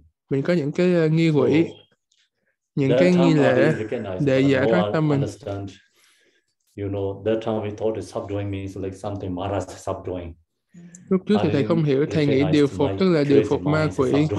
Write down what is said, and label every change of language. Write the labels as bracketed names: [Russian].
[Vietnamese] Mình có những cái nghi quỷ, những cái nghi lễ để giải thoát tâm mình. [English] You know, that time we thought subduing means like something Mara subduing. [Vietnamese] Lúc trước thì thầy không hiểu, thầy nghĩ điều phục tức là điều phục ma quỷ.